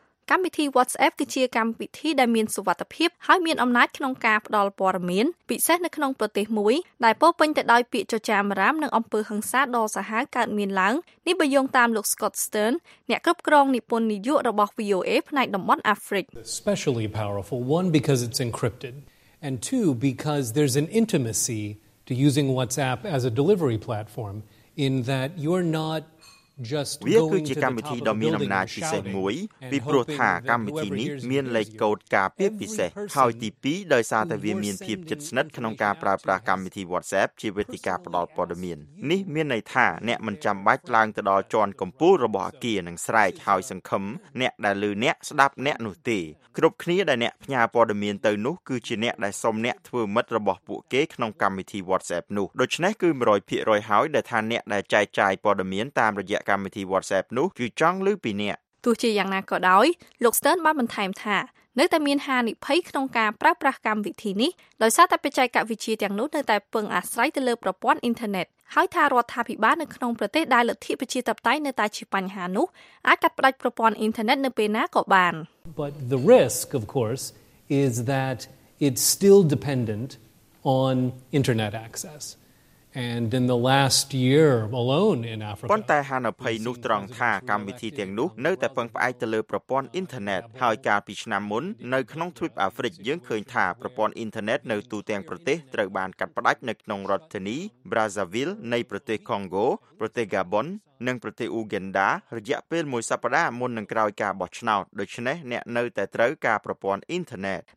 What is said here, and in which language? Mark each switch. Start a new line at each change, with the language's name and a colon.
Khmer: កម្មវិធី WhatsApp គឺជាកម្មវិធីដែលមានសុវត្ថិភាពហើយមានអំណាចក្នុងការផ្ដល់ព័ត៌មានពិសេសនៅក្នុងប្រទេសមួយដែលពោរពេញទៅដោយពាក្យចចាមរាមនិងអំពើហិង្សាដ៏សាហាវកើតមានឡើងនេះបើយោងតាមលោក Scott Stern អ្នកគ្រប់គ្រងនិពន្ធនាយករបស់ VOA ផ្នែកតំបន់អាហ្វ្រិក
English: Specially powerful one because it's encrypted and two because there's an intimacy to using WhatsApp as a delivery platform in that you're not
Khmer: វាគឺជាកម្មវិធីដ៏មានអំណាចពិសេសមួយពីព្រោះថាកម្មវិធីនេះមានលេខកូដការពារពិសេសហើយទី2ដោយសារតែវាមានភាពជិតស្និទ្ធក្នុងការប្រើប្រាស់កម្មវិធី WhatsApp ជាវេទិកាផ្តល់ព័ត៌មាននេះមានន័យថាអ្នកមិនចាំបាច់ឡើងទៅដល់ជាន់កំពូលរបស់អគារនិងស្រែកហើយសង្ឃឹមអ្នកដែលឮអ្នកស្ដាប់អ្នកនោះទេ គ្រប់គ្នាដែលអ្នកផ្ញើព័ត៌មានទៅនោះគឺជាអ្នកដែលសុំអ្នកធ្វើមិត្តរបស់ពួកគេក្នុងកម្មវិធី WhatsApp នោះដូច្នេះគឺ 100% ហើយដែលថាអ្នកដែលចែកចាយព័ត៌មានតាមរយៈកម្មវិធី WhatsApp នោះគឺចង់ឮពីអ្នក ទោះជាយ៉ាងណាក៏ដោយលោក Stern បានបន្ថែមថានៅតែមានហានិភ័យក្នុងការប្រើប្រាស់កម្មវិធីនេះដោយសារតែបច្ចេកវិទ្យាទាំងនោះនៅតែពឹងអាស្រ័យទៅលើប្រព័ន្ធអ៊ីនធឺណិតហើយថារដ្ឋាភិបាលនៅក្នុងប្រទេសដែលលទ្ធិប្រជាធិបតេយ្យនៅតែជាបញ្ហានោះអាចកាត់ផ្តាច់ប្រព័ន្ធអ៊ីនធឺណិតនៅពេលណាក៏បាន
English: But the risk of course is that it's still dependent on internet access and in the last year alone in Africa
Khmer: ប៉ុន្តែហានិភ័យនោះត្រង់ថាកម្មវិធីទាំងនោះនៅតែពឹងផ្អែកទៅលើប្រព័ន្ធអ៊ីនធឺណិតហើយកាលពីឆ្នាំមុននៅក្នុងទ្វីបអាហ្វ្រិកយើងឃើញថាប្រព័ន្ធអ៊ីនធឺណិតនៅទូទាំងប្រទេសត្រូវបានកាត់ផ្តាច់នៅក្នុងរដ្ឋធានី Brazzaville នៃប្រទេស Congo ប្រទេស Gabon និងប្រទេស Uganda រយៈពេលមួយសប្តាហ៍មុននឹងក្រោយការបោះឆ្នោតដូច្នេះអ្នកនៅតែត្រូវការប្រព័ន្ធអ៊ីនធឺណិត